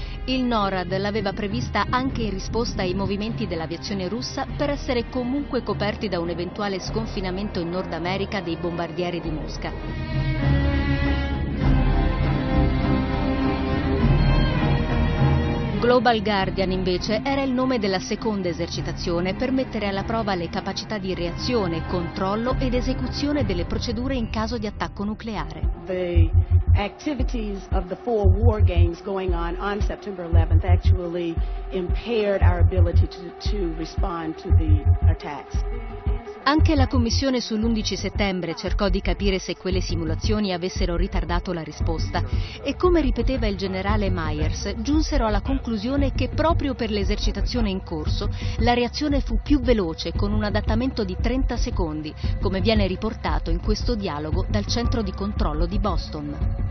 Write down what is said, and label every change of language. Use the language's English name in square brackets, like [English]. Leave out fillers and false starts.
[Italian] Il NORAD l'aveva prevista anche in risposta ai movimenti dell'aviazione russa per essere comunque coperti da un eventuale sconfinamento in Nord America dei bombardieri di Mosca. Global Guardian, invece, era il nome della seconda esercitazione per mettere alla prova le capacità di reazione, controllo ed esecuzione delle procedure in caso di attacco nucleare. [English] The activities of the four war games going on September 11th actually impaired our ability to respond to the attacks. [Italian] Anche la commissione sull'11 settembre cercò di capire se quelle simulazioni avessero ritardato la risposta e, come ripeteva il generale Myers, giunsero alla conclusione che proprio per l'esercitazione in corso la reazione fu più veloce, con un adattamento di 30 secondi, come viene riportato in questo dialogo dal centro di controllo di Boston.